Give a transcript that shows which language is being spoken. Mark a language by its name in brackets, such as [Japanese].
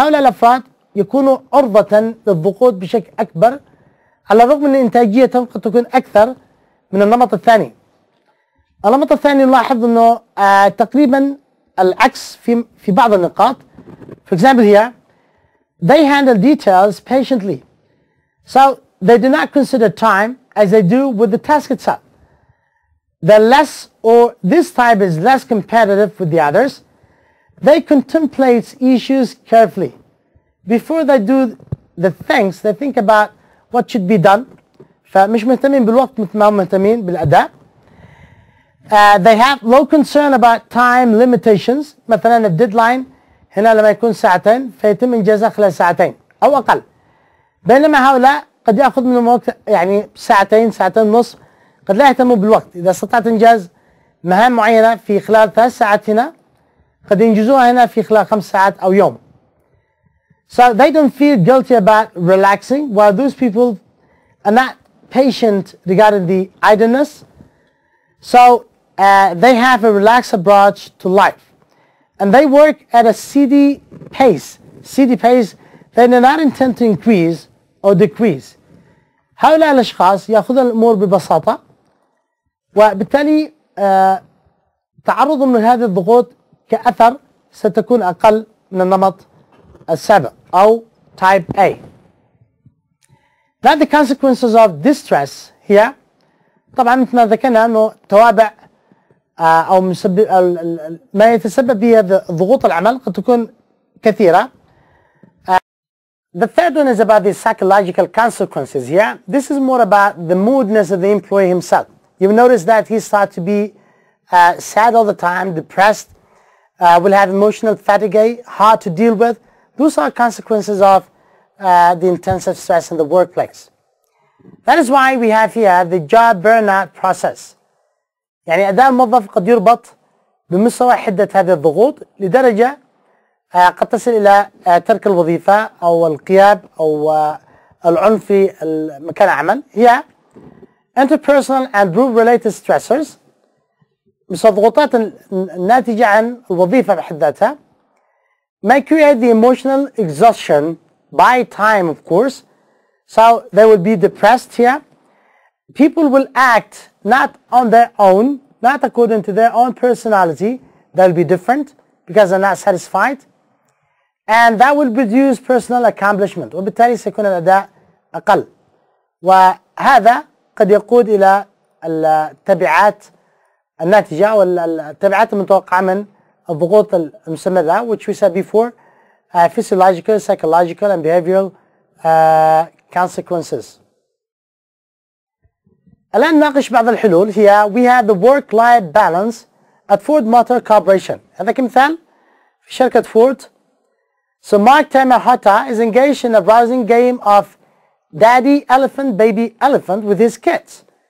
[Arabic] هؤلاء الأفراد يكونوا عرضة للضغوط بشكل أكبر، على الرغم من إنتاجيتهم قد تكون أكثر من النمط الثاني. النمط الثاني نلاحظ إنه تقريبا العكس في بعض النقاط. [English] For example here, they handle details patiently, so they do not consider time as they do with the task itself. They're less, or this type is less competitive with the others. They contemplate issues carefully. Before they do the things, they think about what should be done. [Arabic] فمش مهتمين بالوقت مثل ما هم مهتمين بالأداء. [English] They have low concern about time limitations. [Arabic] مثلا a deadline هنا لما يكون ساعتين فيتم إنجازها خلال ساعتين أو أقل. بينما هؤلاء قد يأخذ منهم وقت يعني ساعتين، ساعتين ونص، قد لا يهتموا بالوقت. إذا استطعت إنجاز مهام معينة في خلال 3 ساعات هنا، قد ينجزوها هنا في خلال 5 ساعات أو يوم. [English] So they don't feel guilty about relaxing, while those people are not patient regarding the idleness. So they have a relaxed approach to life. And they work at a steady pace. Steady pace, they do not intend to increase or decrease. [Arabic] هؤلاء الأشخاص يأخذون الأمور ببساطة، وبالتالي تعرضهم لهذه الضغوط كأثر ستكون أقل من النمط السابق أو type A. [English] Now the consequences of distress here. [Arabic] طبعا مثل ما ذكرنا أنه توابع أو مسبب ما يتسبب به ضغوط العمل قد تكون كثيرة. [English] The third one is about the psychological consequences here. This is more about the moodness of the employee himself. You'll notice that he starts to be sad all the time, depressed, will have emotional fatigue, hard to deal with. Those are consequences of the intensive stress in the workplace. That is why we have here the job burnout process. [Arabic] يعني أداء الموظف قد يربط بمستوى حدة هذه الضغوط لدرجة قد تصل إلى ترك الوظيفة أو القياب أو العنف في مكان العمل. هي [English] interpersonal and group related stressors، [Arabic] مثل الضغوطات الناتجة عن الوظيفة بحد ذاتها. [English] may create the emotional exhaustion by time of course. So they will be depressed here. People will act not on their own, not according to their own personality. They'll be different because they're not satisfied. And that will reduce personal accomplishment. [Arabic] وبالتالي سيكون الأداء أقل. وهذا قد يقود إلى التبعات الناتجة والتبعات المتوقعة من الضغوط المستمرة، [English] which we said before, physiological, psychological, and behavioral consequences. [Arabic] الآن نناقش بعض الحلول. [English] هي we have the work-life balance at Ford Motor Corporation. [Arabic] هذا كمثال في شركة فورد. [English] So Mark Tamahata is engaged in a rousing game of daddy elephant, baby elephant with his kids.